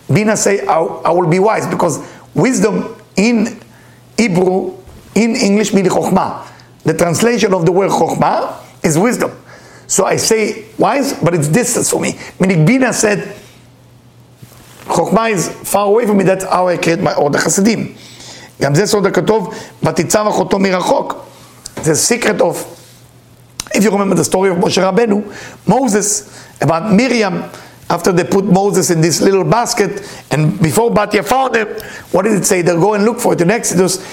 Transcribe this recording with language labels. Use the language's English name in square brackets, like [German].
[English] Bina say I will be wise, because wisdom in Hebrew, in English, means Chokhmah. The translation of the word Chokhmah is wisdom. So I say wise, but it's distance for me. Meaning Bina said, Chokhmah is far away from me, that's how I create my order chassidim. [Hebrew] גם זה סוד הכתוב, ותיצב אחותו מרחוק. [English] The secret of, if you remember the story of Moshe Rabbeinu, Moses, about Miriam, after they put Moses in this little basket, and before Batya found him, what did it say? They'll go and look for it in Exodus.